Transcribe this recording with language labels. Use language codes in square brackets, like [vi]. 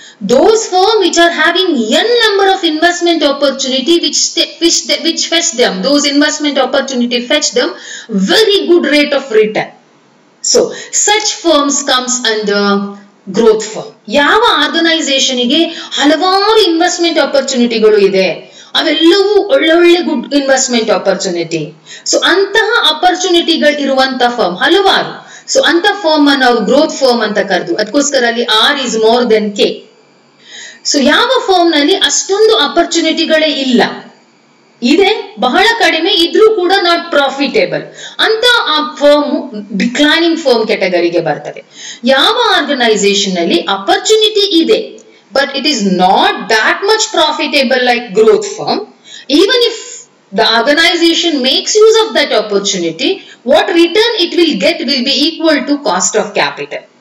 [en] Those firms which are having n number of investment opportunity which fetch them, those investment opportunity fetch them very good rate of return. So, such firms comes under growth firm. [kn] Yava organization ige halavaru investment opportunity galu ide. ಅವೆಲ್ಲವೂ ಒಳ್ಳೆ ಒಳ್ಳೆ good investment opportunity. So ಅಂತಹ ಅಪರ್ಚುನಿಟಿಗಳು ಇರುವಂತಹ firm ಹಲವಾರು. So ಅಂತ firm ಅನ್ನು ಅವರು growth firm ಅಂತ ಕರೆದು, ಅದಕ್ಕೋಸ್ಕರ ಅಲ್ಲಿ [en] R is more than K. [kn] So ಯಾವ ಫರ್ಮ್ ನಲ್ಲಿ ಅಷ್ಟೊಂದು ಅಪರ್ಚುನಿಟಿಗಳೇ ಇಲ್ಲ, ಇದೆ ಬಹಳ ಕಡಿಮೆ, ಇದ್ರೂ ಕೂಡ [en] not profitable, [kn] ಅಂತ ಆ ಫರ್ಮ್ ಡಿಕ್ಲೈನಿಂಗ್ ಫರ್ಮ್ ಕ್ಯಾಟಗರಿಗೆ ಬರ್ತದೆ. ಯಾವ ಆರ್ಗನೈಸೇಷನ್ ನಲ್ಲಿ ಅಪರ್ಚುನಿಟಿ ಇದೆ [en] but it is not that much profitable like growth firm, even if the organization makes use of that opportunity, what return it will get will be equal to cost of capital.